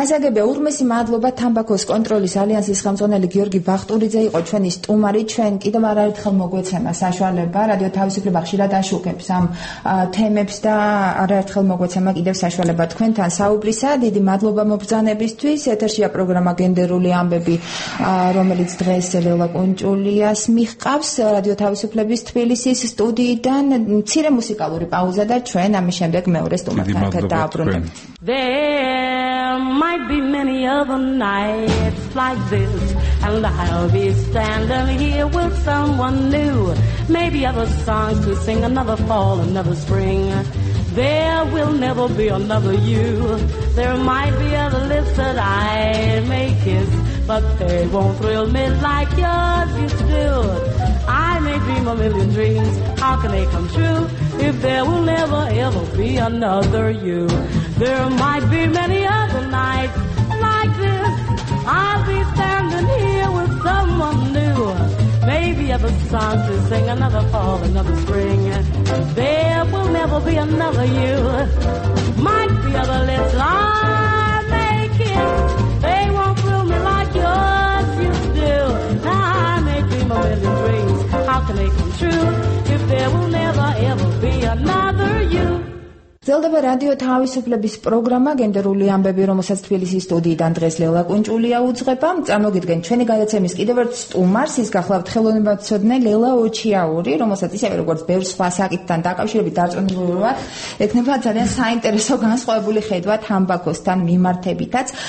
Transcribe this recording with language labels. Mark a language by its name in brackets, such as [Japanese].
[Georgian] გასაგებია, ურმესი მადლობა თამბაქოს კონტროლის ალიანსის ხელმძღვანელი გიორგი ბახტურიძე იყო ჩვენი სტუმარი, ჩვენ კიდევ არაერთხელ მოგვეცემა საშუალება რადიო თავისუფლება ხშირად აშუქებს ამ თემებს და არაერთხელ მოგვეცემა კიდევ საშუალება თქვენთან საუბრისა. დიდი მადლობა მობრძანებისთვის. ეთერშია პროგრამა გენდერული ამბები, რომელიც დღეს ლელა კონჭულიას მიჰყავს რადიო თავისუფლების თბილისის სტუდიიდან. მცირე მუსიკალური პაუზა და ჩვენ ამის შემდეგ მეორე სტუმართან დააბრუნებთ. [English] There might be many other nights like this, and I'll be standing here with someone new. Maybe other songs to sing, another fall, another spring. There will never be another you. There might be other lips that I may kiss, but they won't thrill me like yours used to do. I may dream a million dreams, how can they come true if there will never ever be another you? There might be many other nights like this. I'll be standing here with someone new. Maybe other songs to sing, another fall, another spring. There will never be another you. Might be other lips I may kiss. They won't thrill me like yours used to do. Now I may dream a million dreams. How can they come true if there will never ever be another you? [Georgian] Zeldeva Radio თავისუფლების პროგრამა გენდერული ამბები, რომელსაც თბილისის სტუდიიდან დღეს ლელა კუნჭულია უძღვება. წარმოგიდგენთ ჩვენი გადაცემის კიდევ ერთ სტუმარს, ის გახლავთ ხელოვნებად ცოდნე ლელა ოჩიაური, რომელსაც ისევე როგორც ბევრ სხვა საკითხთან დაკავშირებით დარწმუნებულად ექნება ძალიან საინტერესო განსხვავებული ხედვა თამბაქოსთან მიმართებითაც.